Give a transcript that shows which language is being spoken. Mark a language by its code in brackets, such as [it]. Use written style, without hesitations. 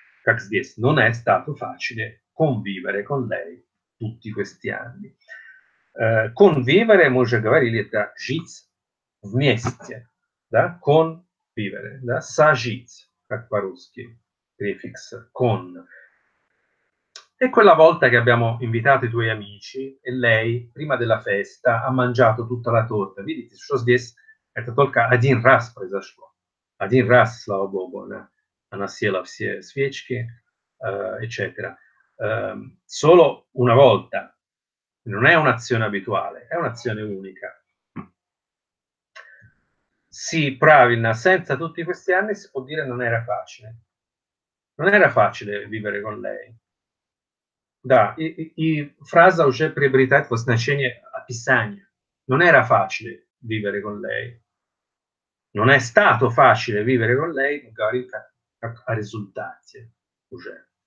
[ru] Как здесь, [it] «non è stato facile convivere con lei tutti questi anni». [ru] Convivere, мы уже говорили, это жить вместе, да, convivere, да, сажить, как по-русски, prefix, con. [it] E quella volta che abbiamo invitato i tuoi amici e lei, prima della festa, ha mangiato tutta la torta, vedete, [ru] что здесь, это только один раз произошло. Один раз, слава Богу, да. Она съела все свечки, eccetera. [it] Solo una volta. Non è un'azione abituale, è un'azione unica. Sì, [ru] правильно, [it] senza tutti questi anni si può dire non era facile. Non era facile vivere con lei. [ru] Да, и фраза уже приобретает значение описания. [it] Non era facile vivere con lei. Non è stato facile vivere con lei, magari a risultati, [ru] уже.